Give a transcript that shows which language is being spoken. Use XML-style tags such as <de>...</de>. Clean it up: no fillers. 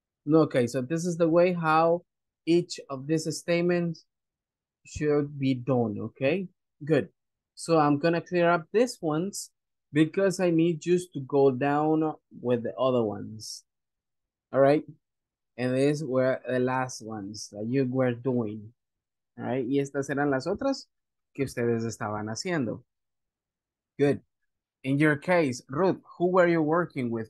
<en>Okay, so this is the way how each of these statements should be done, okay? Good. So I'm gonna clear up these ones because I need just to go down with the other ones. All right? And these were the last ones that you were doing. All right?</en> <es>Y estas eran las otras que ustedes estaban haciendo.</es> <en>Good. In your case, Ruth, who were you working with?</en>